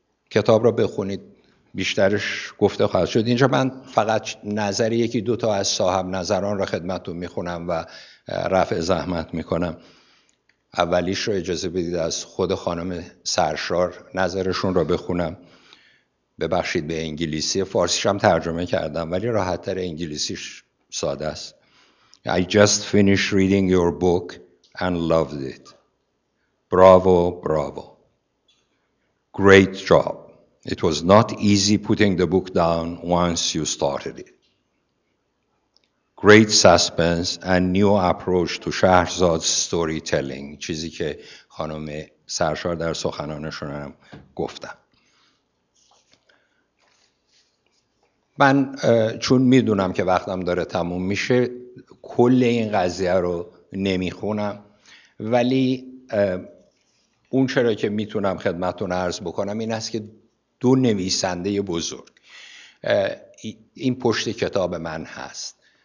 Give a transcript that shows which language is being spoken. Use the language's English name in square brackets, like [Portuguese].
[Persian] کتاب را بخونید، بیشترش گفته خواهد شد. اینجا من فقط نظر یکی دو تا از صاحب نظران را خدمتتون میخونم و رفع زحمت میکنم. اولیش رو اجازه بدید از خود خانم سرشار نظرشون رو بخونم. ببخشید به انگلیسی، فارسیش هم ترجمه کردم ولی راحت تر انگلیسیش ساده است. [English] I just finished reading your book and loved it. Bravo, bravo. Great job. It was not easy putting the book down once you started it. Great suspense and new approach to Shahrzad's storytelling. [Persian] چیزی که خانم سرشار در سخنانشون هم گفتن. من چون میدونم که وقتم داره تموم میشه کل این قضیه رو نمیخونم، ولی اون چرا که میتونم خدمتون عرض بکنم این است که دو نویسنده بزرگ این پشت کتاب من هست.